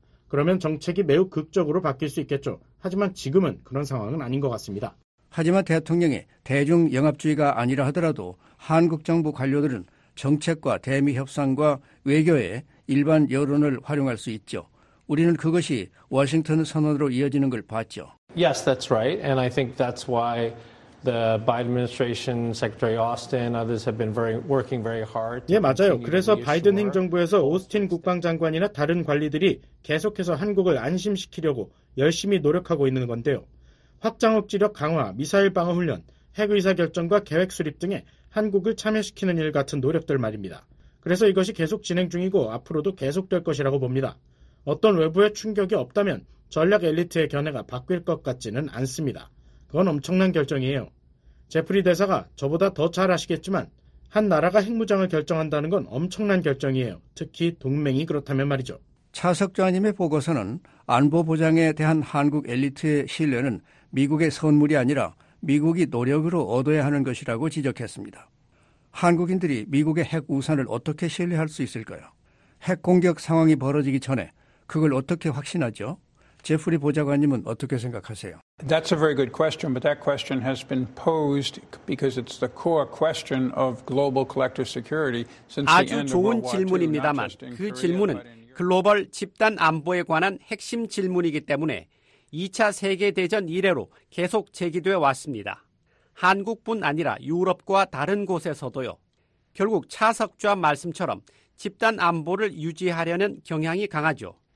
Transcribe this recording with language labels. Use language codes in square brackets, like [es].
[ko] 그러면 정책이 매우 극적으로 바뀔 수 있겠죠. 하지만 지금은 그런 상황은 아닌 것 같습니다. 하지만 대통령이 대중 영합주의가 아니라 하더라도 한국 정부 관료들은 정책과 대미 협상과 외교에 일반 여론을 활용할 수 있죠. 우리는 그것이 워싱턴 선언으로 이어지는 걸 봤죠. [en] Yes, that's right. And I think that's why the Biden administration, Secretary Austin, others have been working very hard. [ko] 예, 맞아요. 그래서 바이든 행정부에서 오스틴 국방장관이나 다른 관리들이 계속해서 한국을 안심시키려고 열심히 노력하고 있는 건데요. 확장 억지력 강화, 미사일 방어 훈련, 핵 의사 결정과 계획 수립 등에 한국을 참여시키는 일 같은 노력들 말입니다. 그래서 이것이 계속 진행 중이고 앞으로도 계속될 것이라고 봅니다. 어떤 외부의 충격이 없다면 전략 엘리트의 견해가 바뀔 것 같지는 않습니다. 그건 엄청난 결정이에요. 제프리 대사가 저보다 더 잘 아시겠지만 한 나라가 핵무장을 결정한다는 건 엄청난 결정이에요. 특히 동맹이 그렇다면 말이죠. 차석좌님의 보고서는 안보 보장에 대한 한국 엘리트의 신뢰는 미국의 선물이 아니라 미국이 노력으로 얻어야 하는 것이라고 지적했습니다. 한국인들이 미국의 핵 우산을 어떻게 신뢰할 수 있을까요? 핵 공격 상황이 벌어지기 전에 그걸 어떻게 확신하죠? 제프리 보좌관님은 어떻게 생각하세요? [en] That's a very good question, but that question has been posed because it's the core question of global collective security since the end of World War II. [ko] 아주 좋은 질문입니다만 그 질문은 글로벌 집단 안보에 관한 핵심 질문이기 때문에 2차 세계대전 이래로 계속 제기돼 왔습니다. 한국뿐 아니라 유럽과 다른 곳에서도요. 결국 차석좌 말씀처럼 집단 안보를 유지하려는 경향이 강하죠.